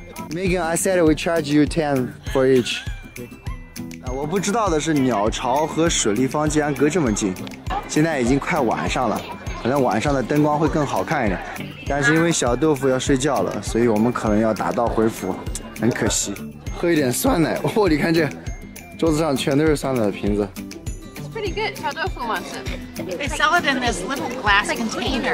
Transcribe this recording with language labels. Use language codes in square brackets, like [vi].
[en] Megan, I said we charge you 10 for each. [zh] 我不知道的是鸟巢和水立方竟然隔这么近。现在已经快晚上了，可能晚上的灯光会更好看一点。但是因为小豆腐要睡觉了，所以我们可能要打道回府，很可惜。喝一点酸奶，哦，你看这桌子上全都是酸奶的瓶子。 [en] It's pretty good. 小豆腐 wants it. They sell it in this little glass container.